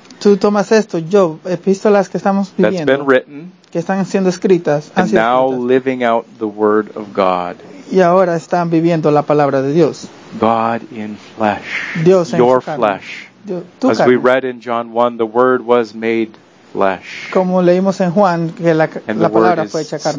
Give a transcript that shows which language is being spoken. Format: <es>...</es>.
<es>Tú tomas esto, yo, epístolas que estamos viviendo.</es> <en>That's been written.</en> <es>Que están siendo escritas.</es> <en>And now living out the word of God.</en> <es>Y ahora están viviendo la palabra de Dios.</es> <en>God in flesh.</en> <es>Dios en</es> <en>Your flesh.</en> <es>Tu</es> <en>As</en> <es>carne.</es> <en>We read in John 1, the word was made</en> <es>Como leímos en Juan que la palabra fue hecha carne.</es>